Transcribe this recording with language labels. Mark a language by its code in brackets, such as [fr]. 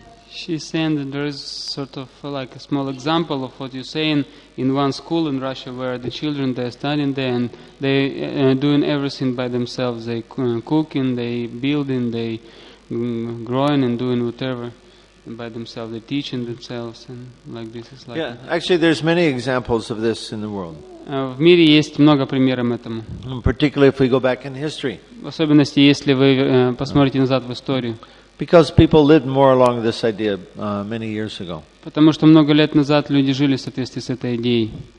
[en] She's saying that there is sort of like a small example of what you're saying in one school in Russia where the children, they're studying there and they're doing everything by themselves. They cooking, they building, they growing and doing whatever by themselves. They're teaching themselves and like this. Is like yeah, actually there's many examples of this in the world. [ru] В мире есть много примеров этому. [en] Particularly if we go back in history. [ru] В особенности, если вы посмотрите назад в историю. [en] Because people lived more along this idea many years ago. [ru] Потому что много лет назад люди жили в соответствии с этой идеей.